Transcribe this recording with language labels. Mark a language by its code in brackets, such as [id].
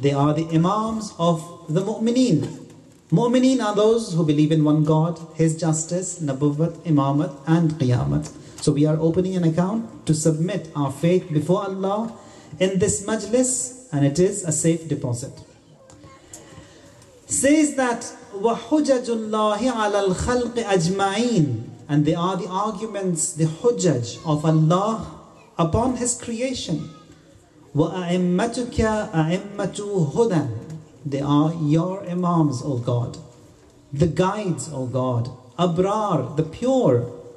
[en] They are the imams of the mu'mineen. Mu'mineen are those who believe in one God, his justice, nabuwwat, imamat, and qiyamat. So we are opening an account to submit our faith before Allah in this majlis, and it is a safe deposit. Says that [ar] وَحُجَجُ اللَّهِ عَلَى الْخَلْقِ أَجْمَعِينَ. [en] And they are the arguments, the hujjaj of Allah upon his creation. [ar] وَأَئِمَّتُكَ أَئِمَّتُ هُدًى. [en] They are your imams, O God, the guides, O God, abrar, the pure.